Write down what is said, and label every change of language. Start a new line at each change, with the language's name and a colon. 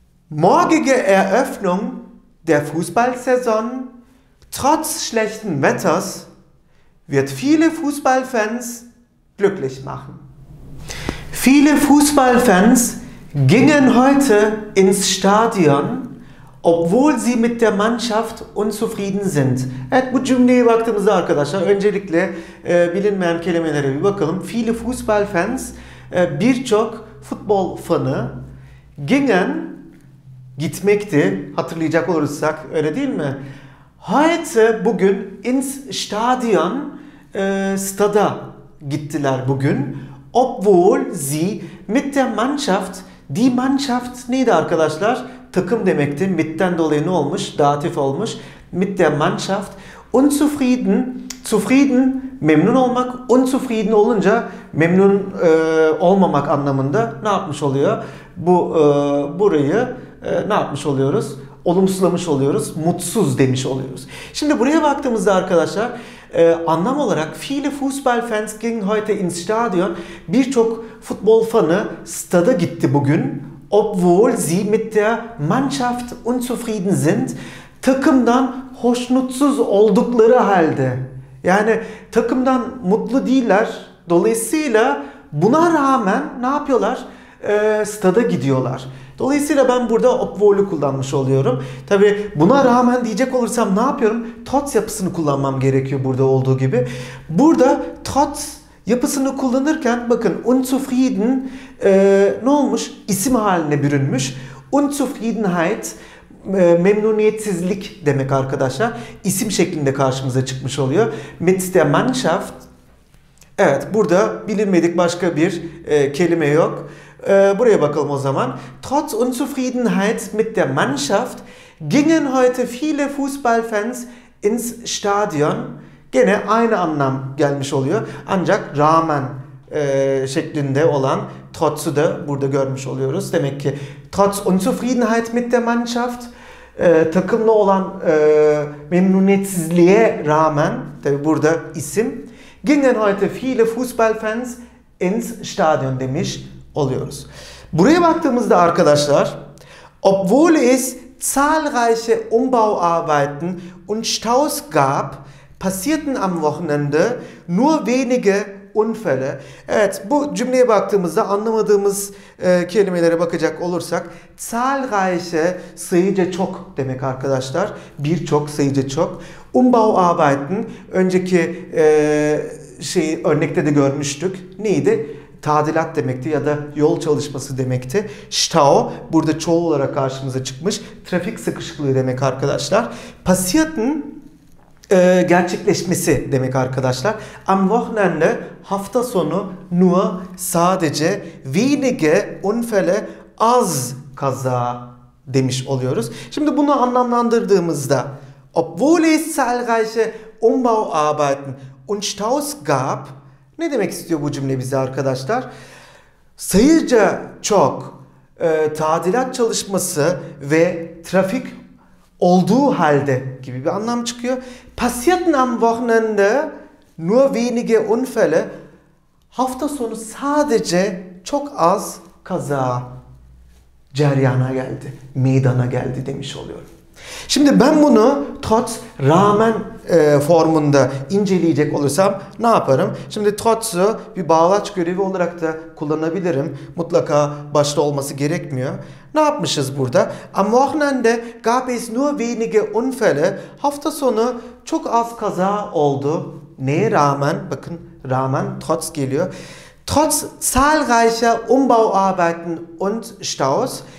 German: Morgige Eröffnung der Fußballsaison trotz schlechten Wetters wird viele Fußballfans glücklich machen. Viele Fußballfans gingen heute ins Stadion, obwohl sie mit der Mannschaft unzufrieden sind.
Turkish: Evet, bu cümleye baktığımızda arkadaşlar öncelikle bilinmeyen kelimelere bir bakalım.
German: Viele Fußballfans,
Turkish: birçok futbol fanı gingen, gitmekti hatırlayacak olursak, öyle değil mi?
German: Heute,
Turkish: bugün
German: ins Stadion,
Turkish: stada gittiler bugün.
German: Obwohl sie mit der Mannschaft, die Mannschaft
Turkish: neydi arkadaşlar? Takım demekti. Mit'ten dolayı ne olmuş? Datif olmuş.
German: Mit der Mannschaft.
Turkish: Unzufrieden, zufrieden, memnun olmak. Unzufrieden olunca memnun olmamak anlamında ne yapmış oluyor? Bu burayı ne yapmış oluyoruz? Olumsuzlamış oluyoruz. Mutsuz demiş oluyoruz. Şimdi buraya baktığımızda arkadaşlar anlam olarak
German: viele Fußballfans gingen heute ins Stadion.
Turkish: Birçok futbol fanı stada gitti bugün.
German: Obwohl sie mit der Mannschaft unzufrieden sind.
Turkish: Takımdan hoşnutsuz oldukları halde. Yani takımdan mutlu değiller. Dolayısıyla buna rağmen ne yapıyorlar? Stada gidiyorlar. Dolayısıyla ben burada obwohl'u kullanmış oluyorum. Tabii buna rağmen diyecek olursam ne yapıyorum? Trotz yapısını kullanmam gerekiyor burada olduğu gibi. Burada trotz yapısını kullanırken bakın unzufrieden ne olmuş? İsim haline bürünmüş. Unzufriedenheit memnuniyetsizlik demek arkadaşlar. İsim şeklinde karşımıza çıkmış oluyor.
German: Mit der Mannschaft.
Turkish: Evet, burada bilinmedik başka bir kelime yok. Buraya bakalım o zaman.
German: Trotz Unzufriedenheit mit der Mannschaft gingen heute viele Fußballfans ins Stadion.
Turkish: Gene aynı anlam gelmiş oluyor. Ancak rağmen şeklinde olan trotz'u da burada görmüş oluyoruz. Demek ki
German: trotz Unzufriedenheit mit der Mannschaft
Turkish: takımla olan memnuniyetsizliğe rağmen, tabi burada isim,
German: gingen heute viele Fußballfans ins Stadion
Turkish: demiş oluyoruz. Buraya baktığımızda arkadaşlar,
German: obwohl es zahlreiche Umbauarbeiten und Staus gab, passierten am Wochenende nur wenige Unfälle.
Turkish: Evet, bu cümleye baktığımızda anlamadığımız kelimelere bakacak olursak, zahlreiche sayıca çok demek arkadaşlar. Birçok sayıca çok. Umbauarbeiten, önceki şeyi örnekte de görmüştük. Neydi? Tadilat demekti ya da yol çalışması demekti. Stau burada çoğul olarak karşımıza çıkmış. Trafik sıkışıklığı demek arkadaşlar. Passierten gerçekleşmesi demek arkadaşlar.
German: Am Wochenende
Turkish: hafta sonu nur sadece
German: wenige Unfälle
Turkish: az kaza demiş oluyoruz. Şimdi bunu anlamlandırdığımızda
German: obwohl es zahlreiche Umbauarbeiten und Staus gab.
Turkish: Ne demek istiyor bu cümle bize arkadaşlar? Sayıca çok tadilat çalışması ve trafik olduğu halde gibi bir anlam çıkıyor.
German: Passierten am Wochenende nur wenige Unfälle.
Turkish: Hafta sonu sadece çok az kaza ceryana geldi, meydana geldi demiş oluyorum. Şimdi ben bunu trotz rağmen formunda inceleyecek olursam ne yaparım? Şimdi trotz'u bir bağlaç görevi olarak da kullanabilirim. Mutlaka başta olması gerekmiyor. Ne yapmışız burada?
German: Am Wochenende gab es nur wenige Unfälle.
Turkish: Hafta sonu çok az kaza oldu. Neye rağmen? Bakın rağmen trotz geliyor.
German: Trotz zahlreicher Umbauarbeiten und Staus.